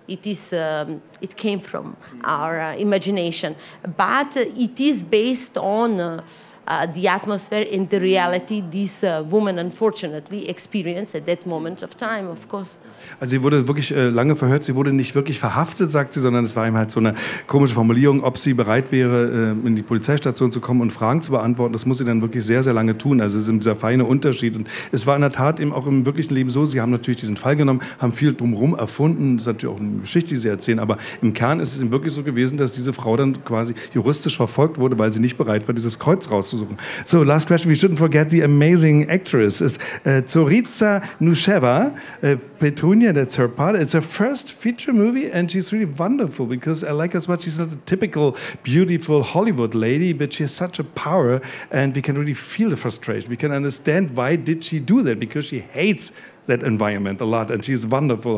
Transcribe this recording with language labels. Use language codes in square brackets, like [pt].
[en] It came from our imagination, but it is based on the atmosphere and the reality this woman unfortunately experienced at that moment of time, of course. [de] Also sie wurde wirklich lange verhört, sie wurde nicht wirklich verhaftet, sagt sie, sondern es war ihm halt so eine komische Formulierung, ob sie bereit wäre, in die Polizeistation zu kommen und Fragen zu beantworten. Das muss sie dann wirklich sehr, sehr lange tun. Also es ist eben dieser feine Unterschied. Und es war in der Tat eben auch im wirklichen Leben so, sie haben natürlich diesen Fall genommen, haben viel drumherum erfunden. Das ist natürlich auch eine Geschichte, die sie erzählen. Aber im Kern ist es eben wirklich so gewesen, dass diese Frau dann quasi juristisch verfolgt wurde, weil sie nicht bereit war, dieses Kreuz rauszusuchen. [en] So, last question. We shouldn't forget the amazing actress. It's Tsuritsa Nusheva, Petrunia, that's her part. It's her first feature movie, and she's really wonderful because I like her so much. She's not a typical beautiful Hollywood lady, but she has such a power, and we can really feel the frustration. We can understand why did she do that, because she hates that environment a lot, and she's wonderful.